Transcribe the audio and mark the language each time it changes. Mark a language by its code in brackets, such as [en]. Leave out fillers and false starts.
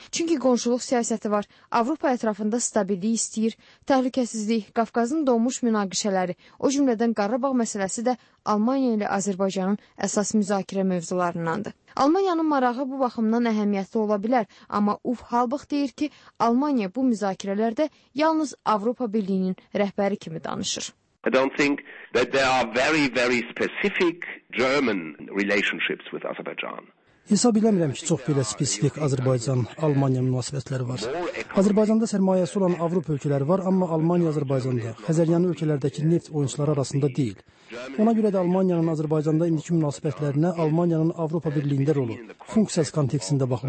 [az] Çünki qonşuluq siyasəti var, Avropa ətrafında stabillik istəyir, təhlükəsizlik, Qafqazın donmuş münaqişələri, o cümlədən Qarabağ məsələsi də Almaniya ilə Azərbaycanın əsas müzakirə mövzularındandır. Almaniyanın marağı bu baxımdan əhəmiyyətli ola bilər, amma Uf Halbach deyir ki, Almaniya bu müzakirələrdə yalnız Avropa Birliyinin rəhbəri kimi danışır. [en] I don't think that there are very, very specific German relationships with Azerbaijan. [az] Hesab eləmirəm ki, çox belə spesifik Azərbaycan-Almaniya münasibətləri var. Azərbaycanda sərmayəsi olan Avropa ölkələri var, amma Almaniya Azərbaycanda, Xəzəryanı ölkələrdəki neft oyunçuları arasında deyil. Ona görə də Almaniyanın Azərbaycanda indiki münasibətlərinə Almaniyanın Avropa Birliyində rolu, funksiyası kontekstində